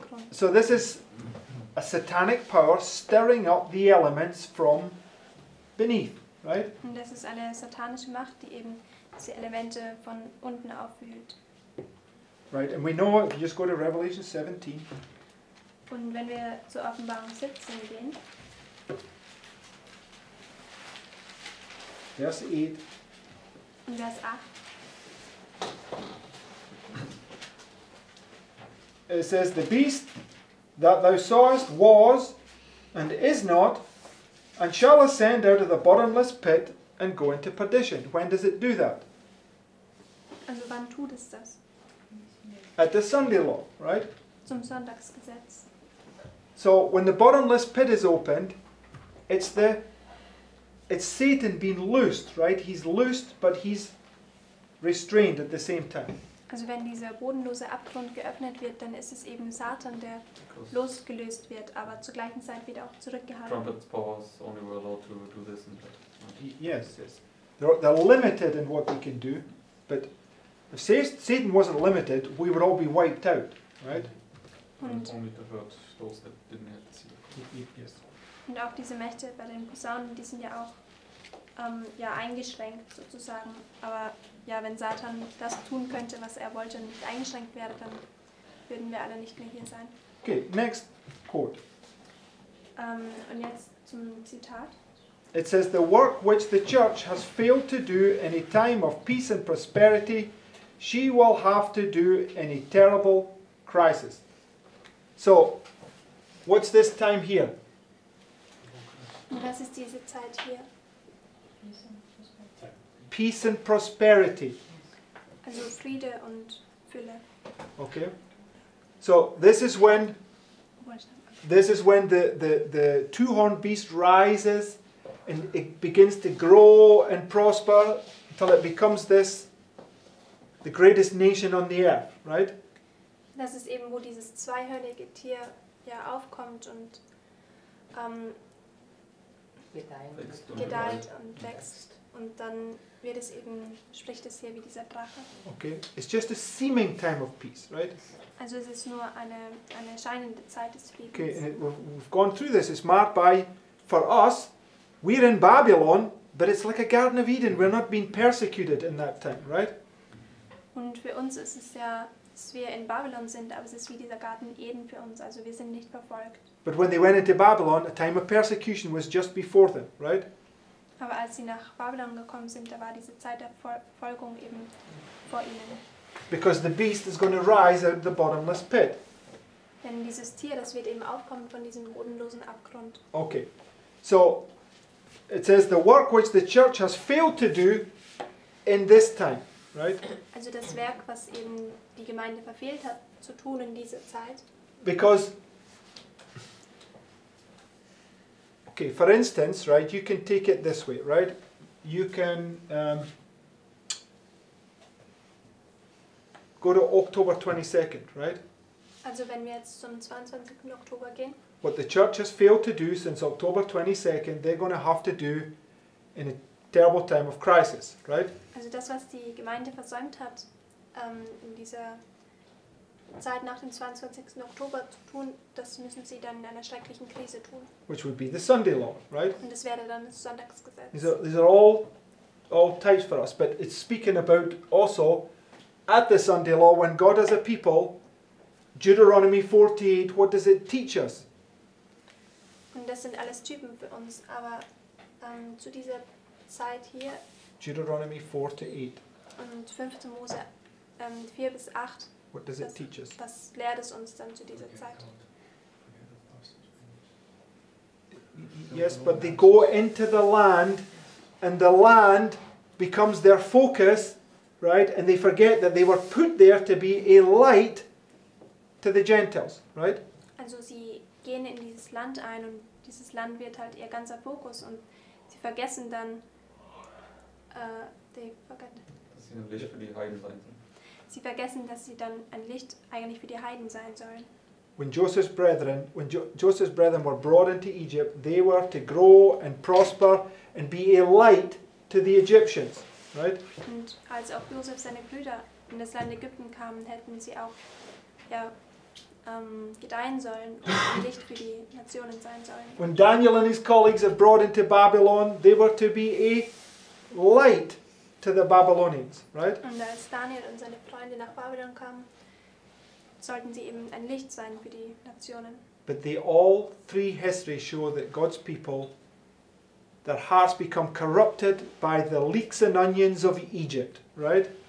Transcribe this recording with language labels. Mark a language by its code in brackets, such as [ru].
[en] So this is a satanic power stirring up the elements from beneath, right? [de] Und das ist eine satanische Macht, die eben diese Elemente von unten aufwühlt. [en] Right, and we know if you just go to Revelation 17. [de] Und wenn wir zu Offenbarung 17 gehen. Vers 8. Und Vers 8. [en] It says, the beast that thou sawest was and is not, and shall ascend out of the bottomless pit and go into perdition. When does it do that? [de] Also, wann tut es das? [en] At the Sunday law, right? [de] Zum Sonntagsgesetz. [en] So when the bottomless pit is opened, it's Satan being loosed, right? He's loosed, but he's restrained at the same time. [de] Also wenn dieser bodenlose Abgrund geöffnet wird, dann ist es eben Satan, der losgelöst wird, aber zur gleichen Zeit wieder auch zurückgehalten. [en] Trumpets, powers, only were allowed to do this and that. Yes. They're limited in what they can do, but if Satan wasn't limited, we would all be wiped out, right? And only to hurt those that didn't have the seal. Yes. [de] Und auch diese Mächte bei den Posaunen, die sind ja auch ja, eingeschränkt sozusagen, aber ja, wenn Satan das tun könnte, was er wollte, nicht eingeschränkt wäre, dann würden wir alle nicht mehr hier sein. [en] Okay, next quote. [de] Und jetzt zum Zitat. [en] It says, the work which the church has failed to do in a time of peace and prosperity, she will have to do in a terrible crisis. So, what's this time here? [de] Und was ist diese Zeit hier? [en] Peace and prosperity. [de] Also Friede und Fülle. Okay. [en] So this is when the two-horned beast rises and it begins to grow and prosper until it becomes this the greatest nation on the earth, right? [de] Das ist eben, wo dieses zweihörnige Tier ja aufkommt und gedeiht und wächst. Und dann wird es eben, spricht es hier wie dieser Drache. [en] Okay, it's just a seeming time of peace, right? [de] Also es ist nur eine scheinende Zeit des Friedens. [en] Okay, and we've gone through this. It's marked by, for us, we're in Babylon, but it's like a Garden of Eden. We're not being persecuted in that time, right? [de] Und für uns ist es ja, dass wir in Babylon sind, aber es ist wie dieser Garten Eden für uns. Also wir sind nicht verfolgt. [en] But when they went into Babylon, a time of persecution was just before them, right? [de] Aber als sie nach Babylon gekommen sind, da war diese Zeit der Verfolgung eben vor ihnen. [en] Because the beast is going to rise out of the bottomless pit. [de] Denn dieses Tier, das wird eben aufkommen von diesem bodenlosen Abgrund. Okay. [en] So, it says the work which the church has failed to do in this time, right? [de] Also das Werk, was eben die Gemeinde verfehlt hat, zu tun in dieser Zeit. [en] Because... Okay, for instance, right, you can take it this way, right? You can go to October 22nd, right? [de] Also wenn wir jetzt zum 22. Oktober gehen. [en] What the church has failed to do since October 22nd, they're going to have to do in a terrible time of crisis, right? [de] Also das, was die Gemeinde versäumt hat, in dieser Zeit nach dem 22. Oktober zu tun, das müssen sie dann in einer schrecklichen Krise tun. [en] Which would be the Sunday law, right? [de] Und das wäre dann das Sonntagsgesetz. [en] These are all types for us, but it's speaking about also at the Sunday law when God has a people, Deuteronomy 48, what does it teach us? [de] Und das sind alles Typen für uns, aber zu dieser Zeit hier [en] Deuteronomy 48 [de] und 5. Mose 4 bis 8. [en] What does it teach us? [de] Was lehrt es uns dann zu dieser Zeit? [en] Yes, but they go into the land and the land becomes their focus, right? And they forget that they were put there to be a light to the Gentiles, right? [de] Also sie gehen in dieses Land ein und dieses Land wird halt ihr ganzer Fokus und sie vergessen dann dass sie ein Licht für die Heiden sein sollen. Sie vergessen, dass sie dann ein Licht eigentlich für die Heiden sein sollen. [en] When Joseph's brethren were brought into Egypt, they were to grow and prosper and be a light to the Egyptians, right? [de] Und als auch Joseph seine Brüder in das Land Ägypten kamen, hätten sie auch ja, gedeihen sollen und ein Licht für die Nationen sein sollen. [en] When Daniel and his colleagues are brought into Babylon, they were to be a light to the Babylonians, right? [de] Und als Daniel und seine Freunde nach Babylon kamen, sollten sie eben ein Licht sein für die Nationen. [en] But they all three histories show that God's people, their hearts become corrupted by the leeks and onions of Egypt, right?